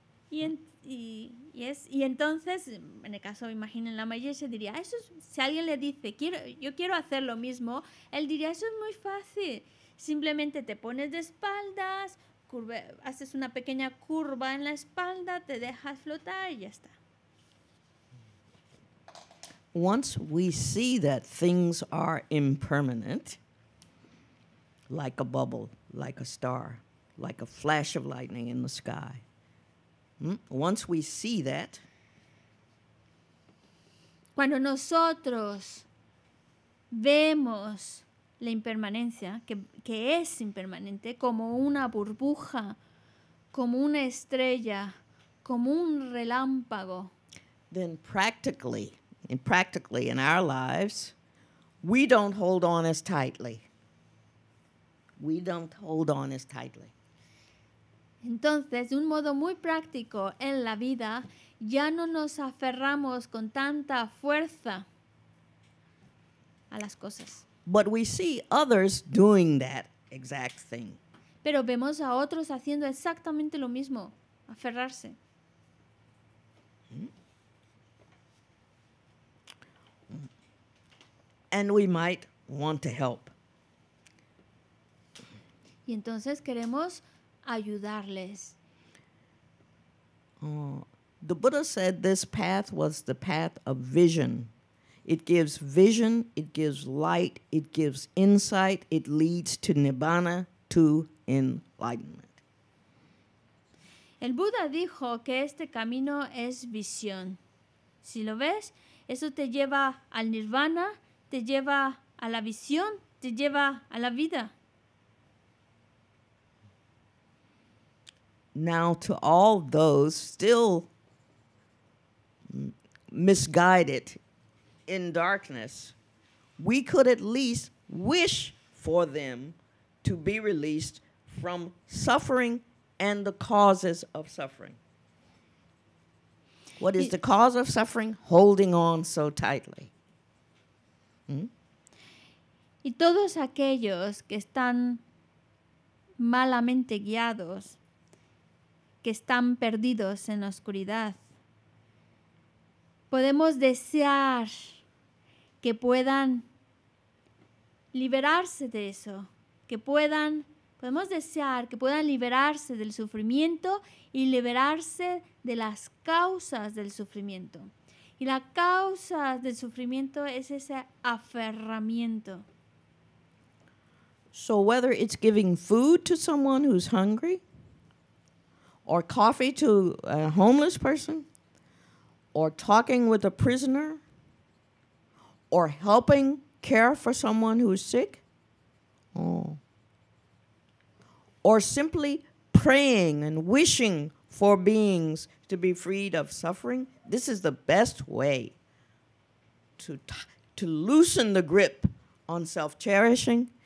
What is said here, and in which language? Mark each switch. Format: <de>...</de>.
<es>Y entonces, en el caso, imaginen, la Mayeshe diría, eso es, si alguien le dice, yo quiero hacer lo mismo, él diría, eso es muy fácil, simplemente te pones de espaldas, haces una pequeña curva en la espalda, te dejas flotar y ya está.</es> <en>Once we see that things are impermanent, like a bubble, like a star, like a flash of lightning in the sky, once we see that,</en> <es>cuando nosotros vemos la impermanencia, que es impermanente, como una burbuja, como una estrella, como un relámpago.</es> <en>Then practically in our lives, we don't hold on as tightly. We don't hold on as tightly.</en> <es>Entonces, de un modo muy práctico en la vida, ya no nos aferramos con tanta fuerza a las cosas.</es> <en>But we see others doing that exact thing.</en> <es>Pero vemos a otros haciendo exactamente lo mismo, aferrarse.</es> <en>And we might want to help.</en> <es>Y entonces queremos ayudarles.</es> <en>The Buddha said this path was the path of vision. It gives vision, it gives light, it gives insight, it leads to nirvana, to enlightenment.</en> <es>El Buda dijo que este camino es visión. Si lo ves, eso te lleva al nirvana, te lleva a la visión, te lleva a la vida.</es> <en>Now to all those still misguided in darkness, we could at least wish for them to be released from suffering and the causes of suffering. What is the cause of suffering? Holding on so tightly.</en> <es>Y todos aquellos que están malamente guiados, que están perdidos en la oscuridad, podemos desear que puedan liberarse de eso, que puedan, podemos desear que puedan liberarse del sufrimiento y liberarse de las causas del sufrimiento. Y la causa del sufrimiento es ese aferramiento.</es> <en>So whether it's giving food to someone who's hungry, or coffee to a homeless person, or talking with a prisoner, or helping care for someone who's sick, or simply praying and wishing for beings to be freed of suffering, this is the best way to loosen the grip on self-cherishing.</en>